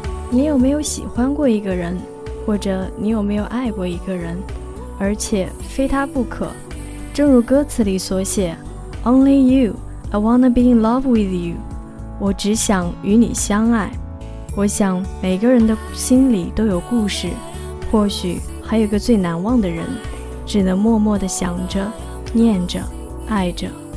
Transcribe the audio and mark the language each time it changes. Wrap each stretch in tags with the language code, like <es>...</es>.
<zh>你有没有喜欢过一个人，或者你有没有爱过一个人，而且非他不可？正如歌词里所写</zh> <en>Only you, I wanna be in love with you，</en> <zh>我只想与你相爱。我想每个人的心里都有故事，或许还有个最难忘的人，只能默默地想着，念着，爱着。</zh>